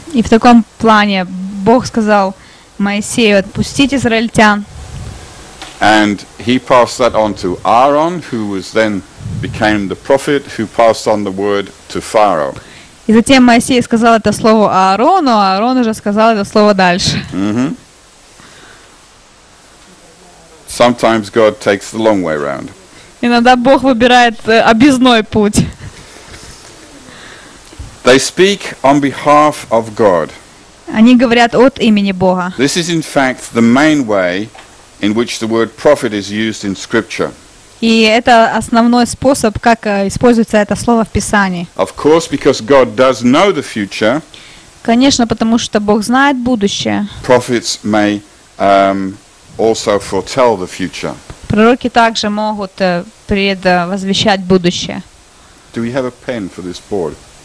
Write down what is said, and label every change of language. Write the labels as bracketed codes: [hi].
[ru] И в таком плане Бог сказал Моисею отпустить израильтян. [en] And he passed that on to Aaron, who was then became the prophet who passed on the word to Pharaoh. [ru] И затем Моисей сказал это слово Аарону, а Аарон уже сказал это слово дальше. [en] Sometimes God takes the long way round. [ru] Иногда Бог выбирает объездной путь. [en] They speak on behalf of God. [ru] Они говорят от имени Бога. [en] This is in fact the main way in which the word prophet is used in scripture. [ru] И это основной способ, как используется это слово в Писании. [en] Of course, because God does know the future. [ru] Конечно, потому что Бог знает будущее. [en] Prophets may also foretell the future. [ru] Пророки также могут предвозвещать будущее. [en] Do we have a pen for this board?